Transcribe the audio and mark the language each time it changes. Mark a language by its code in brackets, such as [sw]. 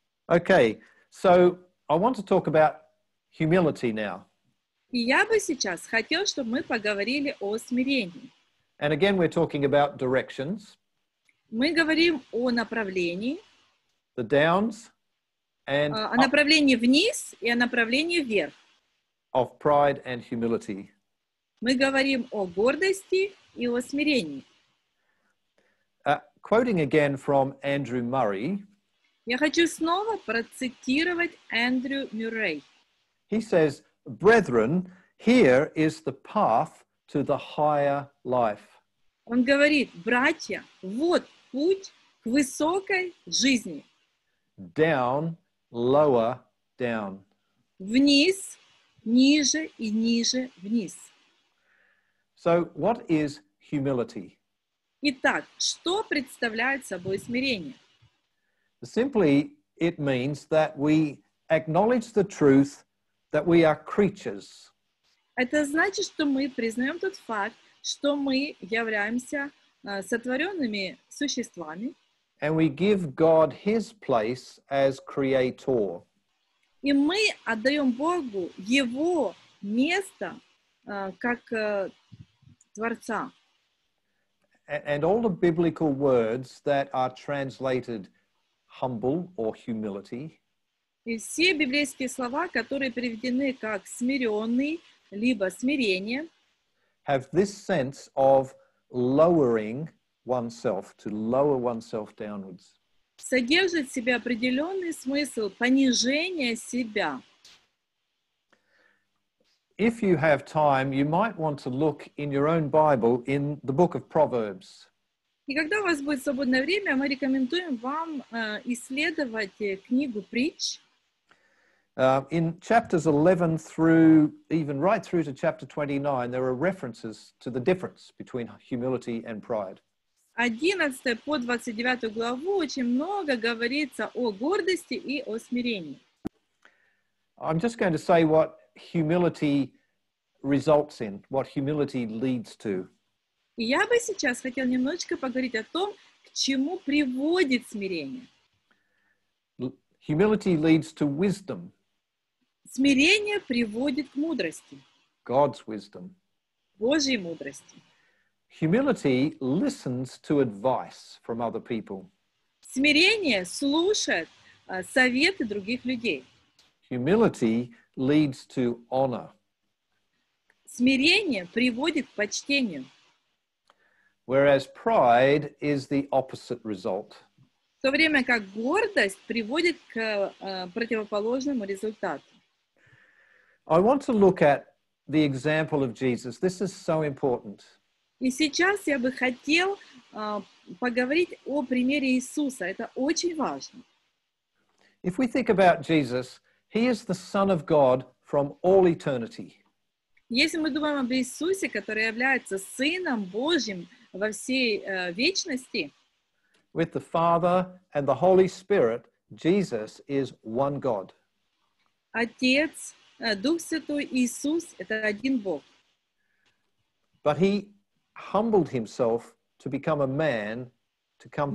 [en] Okay, so I want to talk about humility now. [ru] И я бы сейчас хотел, чтобы мы поговорили о смирении. [en] And again, we're talking about directions. [ru] Мы говорим о направлении. [en] The downs and [ru] о направлении вниз и о направлении вверх. [en] Of pride and humility. [ru] Мы говорим о гордости и о смирении. [en] Quoting again from Andrew Murray. [ru] Я хочу снова процитировать Эндрю Мюррей. [en] He says, "Brethren, here is the path to the higher life." [ru] Он говорит: "Братья, вот путь к высокой жизни." [en] Down, lower, down. [ru] Вниз, ниже и ниже вниз. [en] So, what is humility? [ru] Итак, что представляет собой смирение? [en] Simply, it means that we acknowledge the truth that we are creatures. [ru] Это значит, что мы признаем тот факт, что мы являемся сотворенными существами. [en] And we give God his place as creator. [ru] И мы отдаем Богу его место как творца. [en] And all the biblical words that are translated humble or humility. [ru] И все библейские слова, которые приведены как смиренный либо смирение, [en] have this sense of lowering oneself, to lower oneself downwards. [ru] Содержит в себе определенный смысл понижения себя. [en] If you have time, you might want to look in your own Bible in the book of Proverbs. [ru] И когда у вас будет свободное время, мы рекомендуем вам исследовать книгу «Притч». [en] In chapters 11 through, even right through to chapter 29, there are references to the difference between humility and pride. [ru] 11 по 29 главу очень много говорится о гордости и о смирении. [en] I'm just going to say what humility results in, what humility leads to. [ru] Я бы сейчас хотел немножечко поговорить о том, к чему приводит смирение. [en] Humility leads to wisdom. [ru] Смирение приводит к мудрости. [en] God's wisdom. [ru] Божьей мудрости. [en] Humility listens to advice from other people. [ru] Смирение слушает советы других людей. [en] Humility leads to honor. [ru] Смирение приводит к почтению. [en] Whereas pride is the opposite result. [ru] В то время как гордость приводит к противоположному результату. [en] I want to look at the example of Jesus. This is so important. [ru] И сейчас я бы хотел поговорить о примере Иисуса. Это очень важно. [en] If we think about Jesus, he is the Son of God from all eternity. [ru] Если мы думаем об Иисусе, который является Сыном Божьим во всей вечности, [en] with the Father and the Holy Spirit, Jesus is one God. [ru] Отец, Дух Святой, Иисус — это один Бог. [en] But he humbled himself to become a man, to come